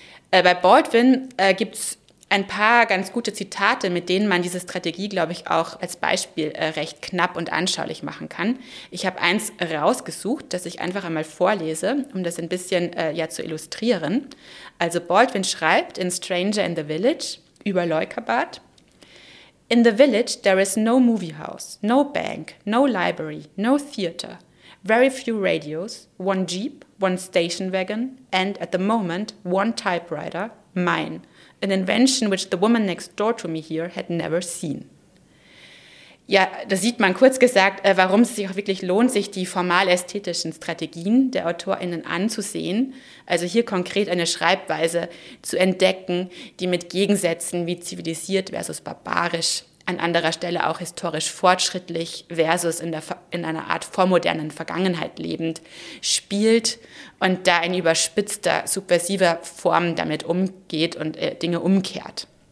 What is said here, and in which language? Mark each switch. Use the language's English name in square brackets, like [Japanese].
[German] Bei Baldwin gibt es ein paar ganz gute Zitate, mit denen man diese Strategie, glaube ich, auch als Beispiel recht knapp und anschaulich machen kann. Ich habe eins rausgesucht, das ich einfach einmal vorlese, um das ein bisschen zu illustrieren. Also Baldwin schreibt in [English] Stranger in the Village [German] über Leukerbad: [English] In the village there is no movie house, no bank, no library, no theater, very few radios, one jeep, one station wagon and at the moment one typewriter, mine. An invention which the woman next door to me here had never seen. [German] Ja, da sieht man kurz gesagt, warum es sich auch wirklich lohnt, sich die formal-ästhetischen Strategien der AutorInnen anzusehen, also hier konkret eine Schreibweise zu entdecken, die mit Gegensätzen wie zivilisiert versus barbarisch, an anderer Stelle auch historisch fortschrittlich versus in einer Art vormodernen Vergangenheit lebend, spielt und da in überspitzter, subversiver Form damit umgeht und Dinge umkehrt.